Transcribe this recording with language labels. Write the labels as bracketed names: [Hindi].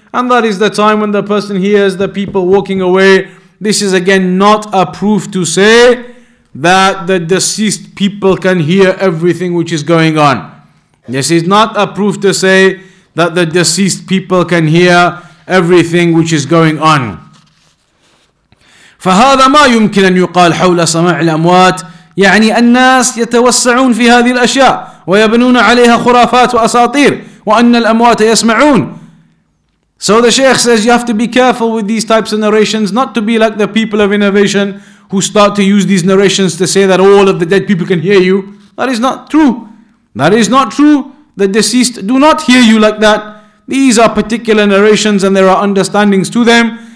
[English] And that is the time when the person hears the people walking away. This is again not a proof to say that the deceased people can hear everything which is going on. This is not a proof to say that the deceased people can hear everything which is going on. [Arabic] فَهَذَا مَا يُمْكِنَ أَنْ يُقَالْ حَوْلَ سَمَاعِ الْأَمْوَاتِ يعني الناس يتوسعون في هذه الأشياء ويبنون عليها خرافات وأساطير وأن الأموات يسمعون. [English] So the Shaykh says you have to be careful with these types of narrations, not to be like the people of innovation who start to use these narrations to say that all of the dead people can hear you. That is not true. That is not true. The deceased do not hear you like that. These are particular narrations and there are understandings to them.